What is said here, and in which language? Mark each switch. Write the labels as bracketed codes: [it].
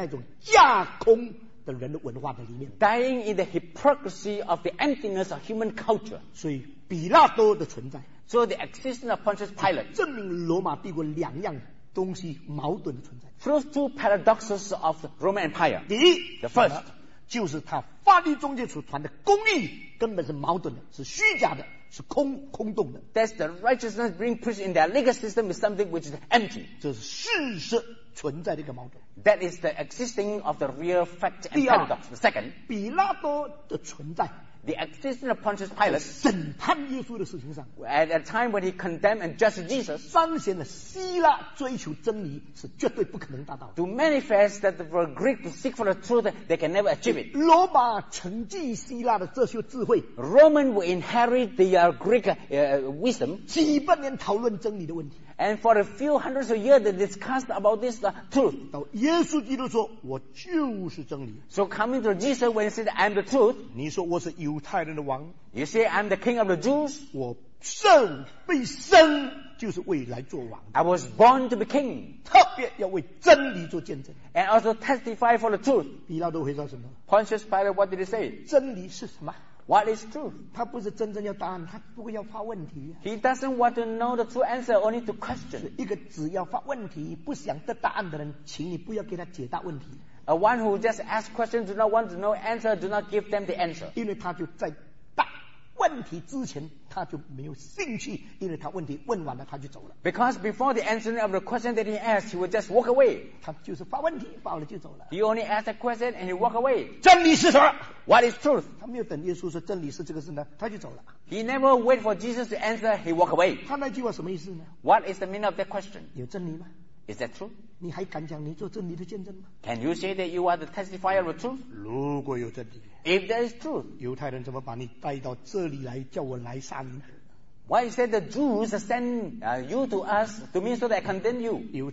[zh] 基督的死是在人的公义不能得成，那个虚假的理念不能成就真正的法律的那种架空的人的文化的理念。 [en] Dying in the hypocrisy of the emptiness of human culture. [zh] 所以比拉多的存在。 [en] So the existence of Pontius Pilate. [zh] 证明罗马帝国两样。东西矛盾的存在 [en] First two paradoxes of the Roman Empire [zh] 第一 [en] The first [zh] 就是他法律中介所传的公义根本是矛盾的是虚假的是空洞的 [en] That's the righteousness being preached in their legal system is something which is empty [zh] 这是事实存在的一个矛盾 [en] That is the existing of the real fact and paradox [zh] 第二, [en] The second [zh] 比拉多的存在 [en] The existence of Pontius Pilate [zh] 审判耶稣的事情上 [en] At a time when he condemned and judged Jesus [zh] 彰显了希腊追求真理是绝对不可能达到的 [en] To manifest that the Greek to seek for the truth they can never achieve it [zh] 罗马承继希腊的这些智慧 [en] Roman will inherit the Greek wisdom [zh] 几百年讨论真理的问题 [en] And for a few hundreds of years, they discussed about this truth. [zh] 耶稣基督说, 我就是真理。 [en] So coming to Jesus, when he said, I'm the truth, [zh] 你说我是犹太人的王, [en] you say, I'm the king of the Jews, [zh] 我被生, 就是为来做王的。 [en] I was born to be king, [zh] 特别要为真理做见证。 [en] And also testify for the truth. [zh] 比拉多回答什么? [en] Pontius Pilate, what did he say? [zh] 真理是什么? [en] What is truth? [zh] 他不是真正要答案, 他不过要发问题。 [en] He doesn't want to know the true answer, only to question. [zh] 一个只要发问题, 不想得答案的人, 请你不要给他解答问题。 [en] A one who just asks questions, do not want to know answer, do not give them the answer. [zh] 因为他就在答问题之前, 他就没有兴趣, 因为他问题问完了, 他就走了。 [en] Because before the answering of the question that he asked, he would just walk away. [zh] 他就是发问题, 发了就走了。 [en] He only asked a question and he walked away. [zh] 真理是什么? [en] What is truth? [zh] 他没有等耶稣说真理是这个事呢, 他就走了。 [en] He never wait for Jesus to answer, he walked away. [zh] 他那句话什么意思呢? [en] What is the meaning of that question? [zh] 有真理吗? [en] Is that true? [zh] 你还敢讲你做真理的见证吗? [en] Can you say that you are the testifier of truth? [zh] 如果有真理, [en] if there is truth, [zh] 犹太人怎么把你带到这里来, 叫我来杀你? [en] Why you say the Jews send you to us to me so that I condemn you?